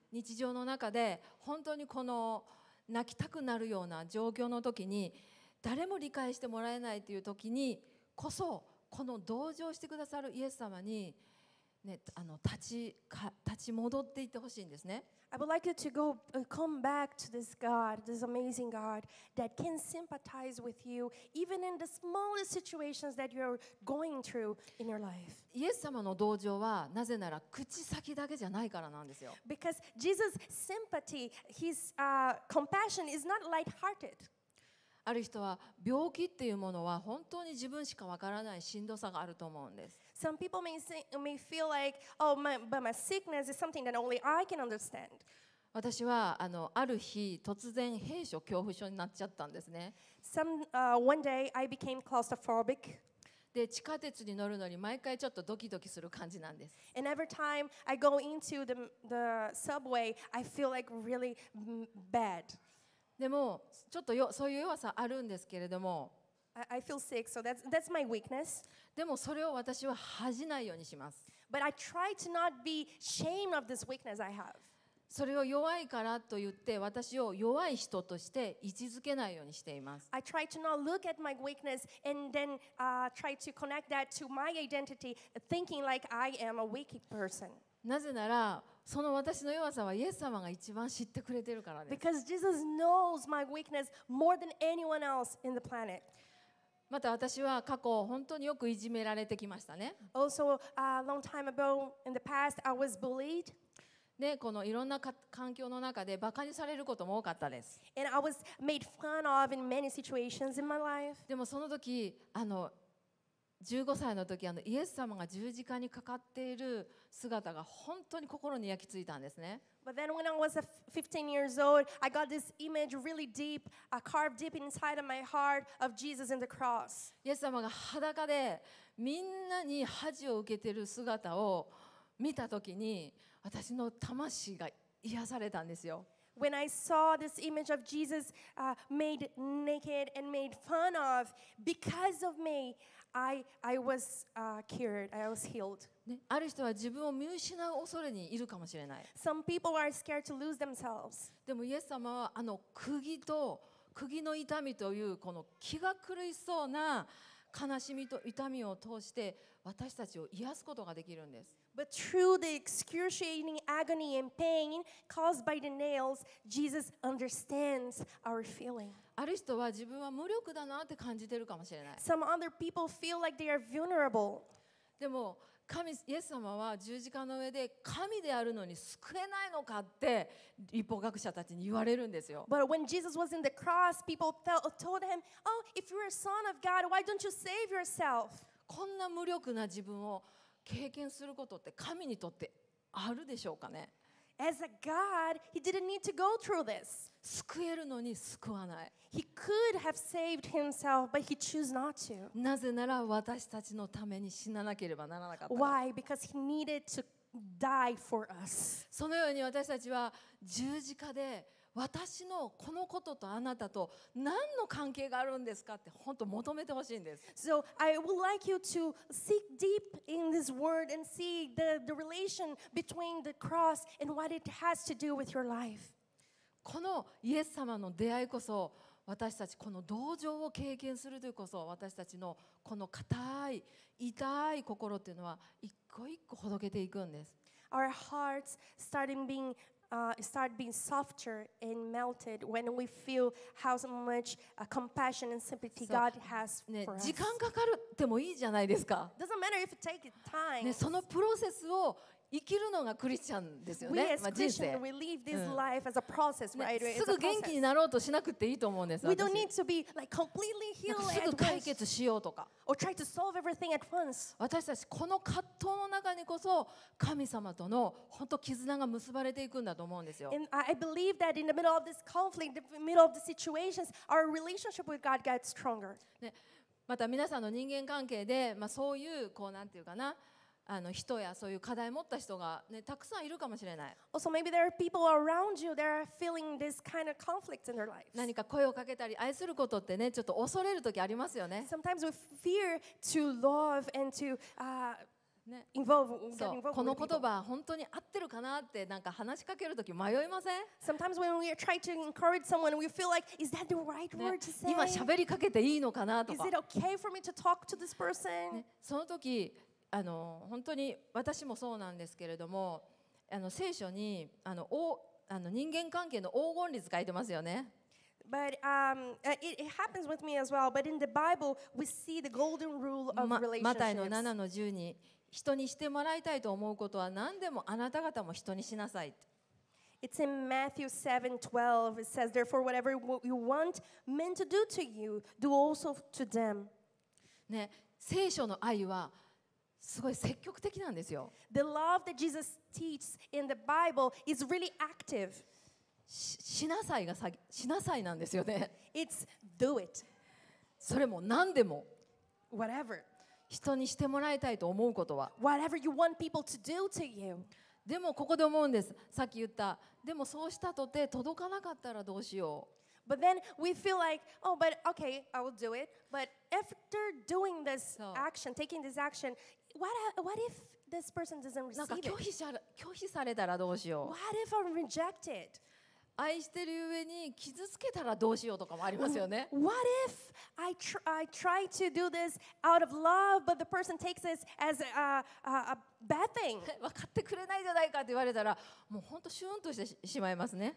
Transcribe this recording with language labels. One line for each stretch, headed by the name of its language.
Japanese: 日常の中で本当にこの泣きたくなるような状況の時に誰も理解してもらえないという時にこそこの同情してくださるイエス様に、ね、立ち戻っていってほしいんですね。
English: I would like you to go come back to this God, this amazing God that can sympathize with you even in the smallest situations that you're going through in your life.
Japanese: イエス様の同情はなぜなら口先だけじゃないからなんですよ。
English: Because Jesus' sympathy, his compassion is not light-hearted.
Japanese: ある人は病気っていうものは本当に自分しかわからないしんどさがあると思うんです。
English: Some people may feel like, oh, but my sickness is something that only I can understand.
Japanese: 私はある日突然閉所恐怖症になっちゃったんですね。
English: One day I became claustrophobic.
Japanese: で、地下鉄に乗るのに毎回ちょっとドキドキする感じなんです。
English: And every time I go into the subway, I feel like really bad.
Japanese: でもちょっとそういう弱さあるんですけれども、
English: I feel sick, so that's my weakness.
Japanese: でもそれを私は恥じないようにします。
English: But I try to not be ashamed of this weakness I have.
Japanese: それを弱いからと言って私を弱い人として位置づけないようにしています。
English: I try to not look at my weakness and then try to connect that to my identity, thinking like I am a weak person.
Japanese: なぜならその私の弱さはイエス様が一番知ってくれてるからです。
English: Because Jesus knows my weakness more than anyone else in the planet.
Japanese: また私は過去本当によくいじめられてきましたね。
English: Also, a long time ago in the past, I was bullied.
Japanese: ね、このいろんな環境の中でバカにされることも多かったです。
English: And I was made fun of in many situations in my life.
Japanese: でもその時、15歳の時、イエス様が十字架にかかっている姿が本当に心に焼き付いたんですね。
English: But then when I was 15 years old, I got this image really deep, carved deep inside of my heart of Jesus in the cross.
Japanese: イエス様が裸でみんなに恥を受けている姿を見た時に私の魂が癒されたんですよ。
English: When I saw this image of Jesus made naked and made fun of because of me, I was cured, I was healed.
Japanese: ね、ある人は自分を見失う恐れにいるかもしれない。
English: Some people are scared to lose themselves.
Japanese: でもイエス様は釘と釘の痛みというこの気が狂いそうな悲しみと痛みを通して私たちを癒すことができるんです。
English: But through the excruciating agony and pain caused by the nails, Jesus understands our feeling.
Japanese: ある人は自分は無力だなって感じてるかもしれない。
English: Some other people feel like they are vulnerable.
Japanese: でも神イエス様は十字架の上で神であるのに救えないのかって律法学者たちに言われるんですよ。
English: But when Jesus was in the cross, people told him, "Oh, if you're a son of God, why don't you save yourself?"
Japanese: こんな無力な自分を経験することって神にとってあるでしょうかね。
English: As a God, he didn't need to go through this.
Japanese: 救えるのに救わない。
English: He could have saved himself, but he chose not to.
Japanese: なぜなら私たちのために死ななければならなかった。
English: Why? Because he needed to die for us.
Japanese: そのように私たちは十字架で私のこのこととあなたと何の関係があるんですかって本当求めてほしいんです。
English: So I would like you to seek deep in this word and see the relation between the cross and what it has to do with your life.
Japanese: このイエス様の出会いこそ私たちこの同情を経験するというこそ私たちのこの硬い痛い心っていうのは一個一個ほどけていくんです。
English: Our hearts starting beingstart being softer and melted when we feel how much compassion and sympathy God has for us.
Japanese: 時間かかるってもいいじゃないですか。
English: Doesn't matter if it takes time.
Japanese: そのプロセスを生きるのがクリスチャンですよね。
English: We as Christians, we live this life as a process, right?
Japanese: すぐ元気になろうとしなくていいと思うんです。
English: We don't need to be like completely healed.
Japanese: すぐ解決しようとか。
English: Or try to solve everything at once.
Japanese: 私たちこの葛藤の中にこそ神様との本当絆が結ばれていくんだと思うんですよ。
English: And I believe that in the middle of this conflict, the middle of the situations, our relationship with God gets stronger.
Japanese: また皆さんの人間関係で、まあ、そういうこうなんていうかな。人やそういう課題を持った人が、ね、たくさんいるかもしれない。
English: Also, maybe there are people around you that are feeling this kind of conflict in their lives.
Japanese: 何か声をかけたり愛することってね、ちょっと恐れる時ありますよね。
English: Sometimes we fear to love and to involve with people.
Japanese: この言葉本当に合ってるかなってなんか話しかける時迷いません？
English: Sometimes when we try to encourage someone, we feel like, is that the right word to say?
Japanese: 今喋りかけていいのかなとか。
English: Is it okay for me to talk to this person?
Japanese: その時。本当に私もそうなんですけれども聖書に人間関係の黄金律書いてますよね。
English: But it happens with me as well. But in the Bible, we see the golden rule of relationships.
Japanese: マタイの7の10に人にしてもらいたいと思うことは何でもあなた方も人にしなさい。
English: It's in Matthew 7:12. It says, "Therefore, whatever you want men to do to you, do also to them."
Japanese: ね、聖書の愛はすごい積極的なんですよ。
English: The love that Jesus teaches in the Bible is really active.
Japanese: しなさいが先、しなさいなんですよね。
English: It's do it.
Japanese: それも何でも。
English: Whatever.
Japanese: 人にしてもらいたいと思うことは。
English: Whatever you want people to do to you.
Japanese: でもここで思うんです。さっき言った。でもそうしたとて届かなかったらどうしよう。
English: But then we feel like, oh, but okay, I will do it. But after doing this action, taking this action, what if this person doesn't receive it?
Japanese: 拒否されたらどうしよう。
English: What if I'm rejected?
Japanese: 愛してる上に傷つけたらどうしようとかもありますよね。
English: What if I try to do this out of love, but the person takes this as a bad thing?
Japanese: 分かってくれないじゃないかって言われたら、もう本当シューンとしてしまいますね。